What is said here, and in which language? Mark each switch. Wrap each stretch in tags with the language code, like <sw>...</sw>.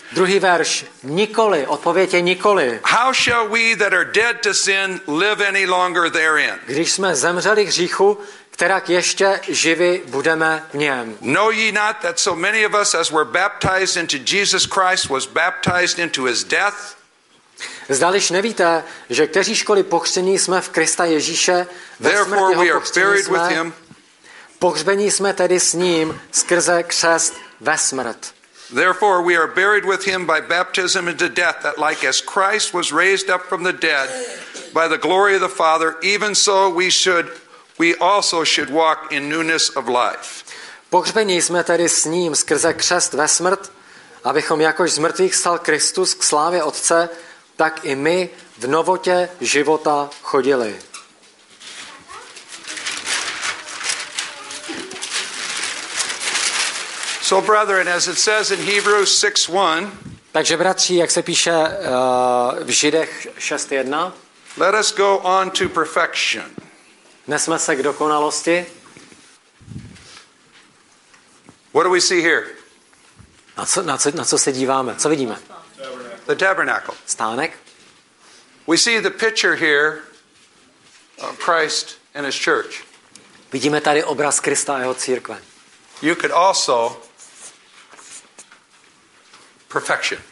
<cs>Druhý verš, nikoli, odpověď je nikoli.</cs> <en>How shall we that are dead to sin live any longer therein?</en> <cs>Když jsme zemřeli hříchu, kterak ještě živi budeme v něm.</cs> <en>Know ye not that so many of us as were baptized into Jesus Christ was baptized into his death?</en> <cs>Zdališ nevíte, že kteříškoliv pokřtění jsme v Krista Ježíše, ve smrti ho pokřtění jsme, pohřbení jsme tedy s ním skrze křest ve smrt.</cs> <en>Therefore we are buried with him by baptism into death, that like as Christ was raised up from the dead by the glory of the Father, even so we also should walk in newness of life.</en> <cs>Pohřbení jsme tedy s ním skrze křest ve smrt, abychom jakož z mrtvých stal Kristus k slávě Otce, tak i my v novotě života chodili.</cs> <en>So brethren, as it says in Hebrews 6:1.</en> <cs>Takže bratři, jak se píše v Židech 6:1.</cs> <en>Let us go on to perfection.</en> <cs>Nesme se k dokonalosti.</cs> <en>What do we see here?</en> <cs>Na co se díváme? Co vidíme?</cs> <en>The tabernacle.</en> <cs>Stánek.</cs> <en>We see the picture here of Christ and his church.</en> <cs>Vidíme tady obraz Krista a jeho církve.</cs> <en>You could also perfection.</en>